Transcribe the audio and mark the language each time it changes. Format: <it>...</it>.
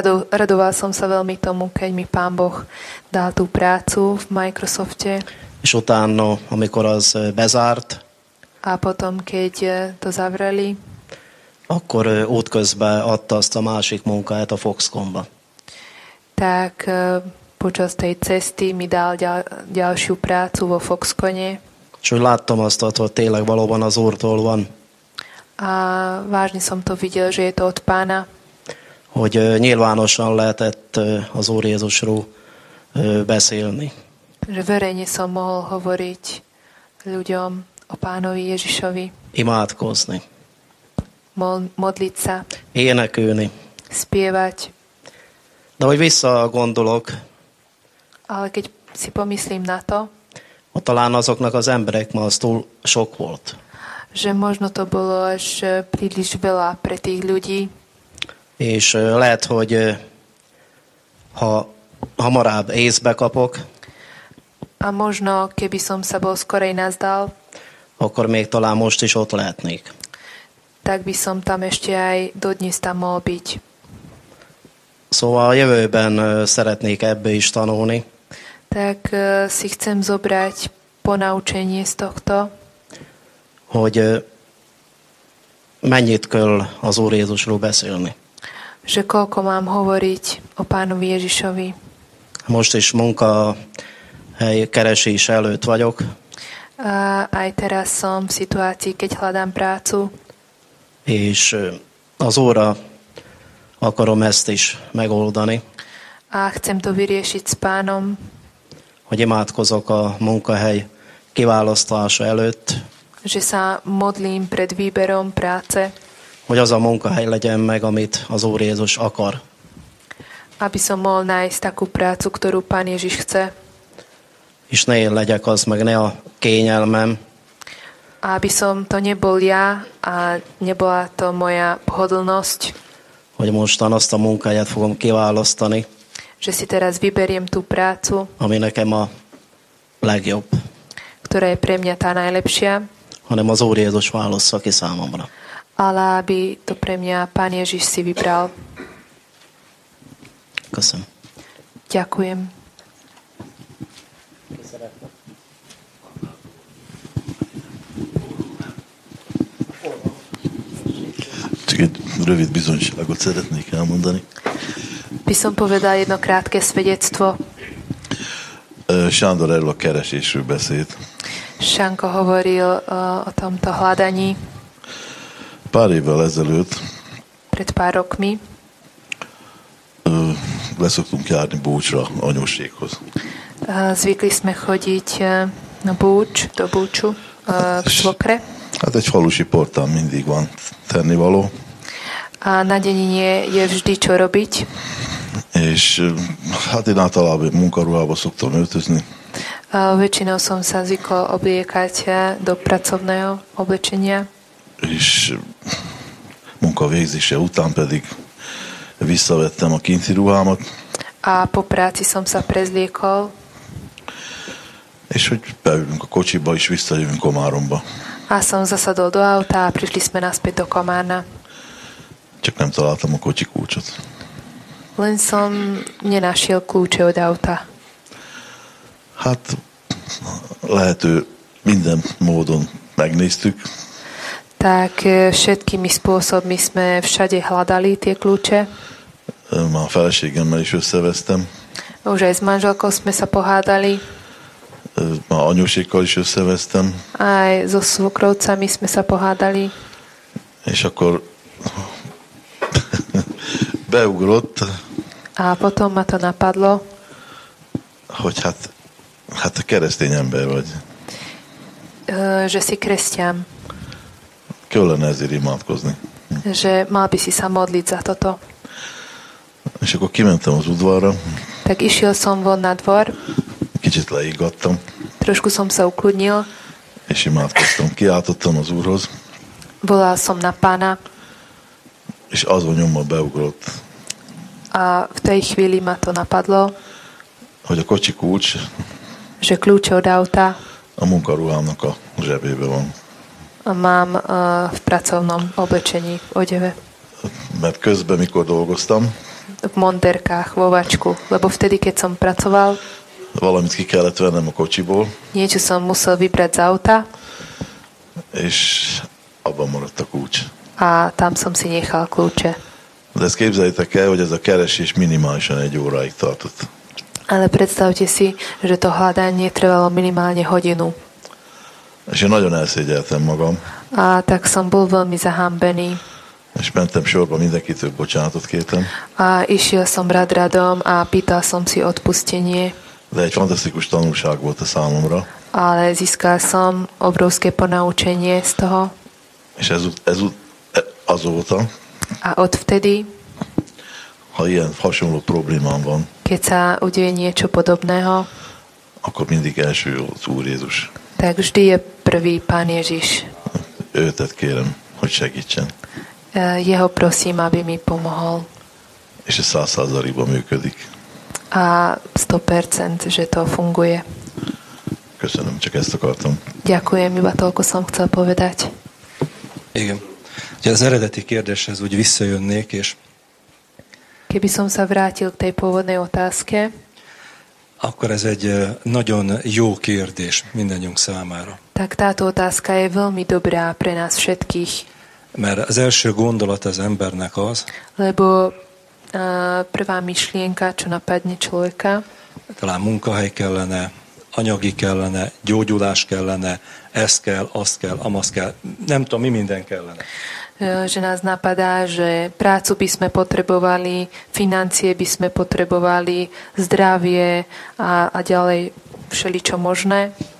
<sk>Radoval som sa veľmi tomu, keď mi Pán Boh dal tú prácu v Microsofte.</sk> <hu>És utána, amikor az bezárt.</hu> <sk>A potom, keď to zavreli.</sk> <hu>Akkor útközbe adta azt a másik munkáját a Foxconnba.</hu> <sk>Tak počas tej cesty mi dal ďalšiu prácu vo Foxconne.</sk> <hu>És úgy láttam azt, hogy tényleg valóban az Úrtól van.</hu> <sk>A vážne som to videl, že je to od Pána.</sk> <hu>Hogy nyilvánosan lehetett az Úr Jézusról beszélni.</hu> <sk>Že verejne som mohol hovoriť ľuďom o Pánovi Ježišovi.</sk> <hu>Imádkozni.</hu> <sk>Modliť sa.</sk> <hu>Énekülni.</hu> <sk>Spievať.</sk> <hu>De hogy visszagondolok.</hu> <sk>Ale keď si pomyslím na to.</sk> <hu>A talán azoknak az emberek ma az túl sok volt.</hu> <sk>Že možno to bolo až príliš veľa pre tých ľudí.</sk> <hu>És lehet, hogy ha hamarabb észbe kapok,</hu> <sk>a možno, keby som sa bol skorej nazdal,</sk> <hu>akkor még talán most is ott lehetnék.</hu> <sk>Tak by som tam ešte aj dodnes tam mohol byť.</sk> <hu>Szóval a jövőben szeretnék ebbe is tanulni.</hu> <sk>Tak si chcem zobrať ponaučenie z tohto.</sk> <hu>Hogy mennyit kell az Úr Jézusról beszélni.</hu> <sk>Že koľko mám hovoriť o Pánovi Ježišovi.</sk> <hu>Most is munka keresés előtt vagyok.</hu> <sk>Aj teraz som v situácii, keď hľadám prácu.</sk> <hu>És az Úrra akarom ezt is megoldani.</hu> <sk>A chcem to vyriešiť s Pánom.</sk> <hu>Hogy imádkozok a munkahely kiválasztása előtt.</hu> <sk>Že sa modlím pred výberom práce.</sk> <hu>Hogy az a munkahely legyen meg, amit az Úr Jézus akar.</hu> <sk>Aby som mohol nájsť takú prácu, ktorú Pán Ježiš chce.</sk> <hu>És ne én legyek az, meg ne a kényelmem.</hu> <sk>Aby som to nebol ja a nebola to moja pohodlnosť.</sk> <hu>Hogy mostan azt a munkáját fogom kiválasztani.</hu> <sk>Že si teraz vyberiem tú prácu.</sk> <hu>Ami nekem a legjobb.</hu> <sk>Ktorá je pre mňa tá najlepšia.</sk> <hu>Hanem az Úr Jézus válaszza ki számomra.</hu> <sk>Ale aby to pre mňa Pán Ježiš si vybral.</sk> <hu>Köszönöm.</hu> <sk>Ďakujem.</sk> <hu>Csak egy rövid bizonyságot szeretnék elmondani. Viszont</hu> <sk>povedal jedno krátke svedectvo.</sk> <hu>Sándor erről a keresésről beszélt.</hu> <sk>Sánka hovoril o tomto hľadaní.</sk> <hu>Pár évvel ezelőtt.</hu> <sk>Pred pár rokmi.</sk> <hu>Leszoktunk járni búcsra, anyósékhoz.</hu> <sk>Zvykli sme chodiť na búcs, do búcsu, v svokre.</sk> <hu>Hát egy falusi portán mindig van tennivaló.</hu> <sk>A na denine je vždy čo robiť.</sk> <hu>És hát én általában munkaruhába szoktam öltözni.</hu> <sk>Väčšinou som sa zvykol obliekať do pracovného oblečenia.</sk> <hu>És munka végzése után pedig visszavettem a kinti ruhámat.</hu> <sk>A po práci som sa prezliekol.</sk> <hu>És hogy beülünk a kocsiba, és visszajövünk Komáromba.</hu> <sk>A som zasadol do auta a prišli sme naspäť do Komárna.</sk> <hu>Csak nem találtam a kocsi kulcsot.</hu> <sk>Len som nenašiel kľúče od auta.</sk> <hu>Hát lehető minden módon megnéztük.</hu> <sk>Tak všetkými spôsobmi sme všade hľadali tie kľúče.</sk> <hu>Má feleségemmel is összevesztem.</hu> <sk>Už aj s manželkou sme sa pohádali.</sk> <hu>Má anyósékkal is összevesztem.</hu> <sk>Aj so svokrovcami sme sa pohádali.</sk> <hu>És akkor beugrott.</hu> <sk>A potom ma to napadlo.</sk> <hu>Hogy hát keresztény ember vagy.</hu> <sk>Že si kresťan.</sk> <hu>Kellene ezért imádkozni.</hu> <sk>Že mal by si sa modliť za toto.</sk> <hu>És akkor kimentem az udvarra.</hu> <sk>Tak išiel som von na dvor.</sk> <hu>Kicsit leigattam.</hu> <sk>Trošku som sa ukludnil.</sk> <hu>És imádkoztam. Kiáltottam az Úrhoz.</hu> <sk>Volal som na Pána.</sk> <hu>És azon nyomban beugrott.</hu> <sk>A v tej chvíli ma to napadlo.</sk> <hu>Hogy a kocsi kulcs.</hu> <sk>Že kľúče od auta.</sk> <hu>A munkaruhámnak a zsebébe van.</hu> <sk>A mám v pracovnom oblečení, v odeve.</sk> <hu>Mert közben, mikor dolgoztam.</hu> <sk>V monterkách, vo vačku. Lebo vtedy, keď som pracoval.</sk> <hu>Valamit ki kellett vennem a kocsiból.</hu> <sk>Niečo som musel vybrať z auta.</sk> <hu>És abban maradt a kulcs.</hu> <sk>A tam som si nechal kľúče.</sk> <hu>De ezt képzeljétek el, hogy ez a keresés minimálisan egy óráig tartott.</hu> <sk>Ale predstavte si, že to hľadanie trvalo minimálne hodinu.</sk> <hu>És én nagyon elszégyeltem magam.</hu> <sk>A tak som bol veľmi zahambený.</sk> <hu>És mentem sorba, mindenkitől bocsánatot kértem.</hu> <sk>A išiel som rad radom a pýtal som si odpustenie.</sk> <hu>De egy fantasztikus tanulság volt a számomra.</hu> <sk>Ale získal som obrovské ponaučenie z toho.</sk> <hu>És azóta.</hu> <sk>A odvtedy.</sk> <hu>Ha ilyen hasonló problémám van.</hu> <sk>Keď sa udeje niečo podobného.</sk> <hu>Akkor mindig első az Úr Jézus.</hu> <sk>Tak vždy je prvý Pán Ježiš.</sk> <hu>Őtet kérem, hogy segítsen.</hu> <sk>Jeho prosím, aby mi pomohol.</sk> <hu>És ez 100%-ban működik.</hu> <sk>A 100%, že to funguje.</sk> <hu>Köszönöm, csak ezt akartam.</hu> <sk>Ďakujem, iba toľko som chcel povedať.</sk> <hu>Igen. Ugye az eredeti kérdéshez úgy visszajönnék, és</hu> <sk>keby som sa vrátil k tej pôvodnej otázke,</sk> <hu>akkor ez egy nagyon jó kérdés mindannyiunk számára.</hu> <sk>Tak táto otázka je veľmi dobrá pre nás všetkých.</sk> <hu>Mert az első gondolat az embernek az,</hu> <sk>lebo prvá myšlienka, čo napadne človeka,</sk> <hu>talán munkahely kellene, anyagi kellene, gyógyulás kellene, ez kell, az kell, amaz kell, nem tudom, mi minden kellene.</hu> <sk>Že nás napadá, že prácu by sme potrebovali, financie by sme potrebovali, zdravie a ďalej všeličo možné.</sk>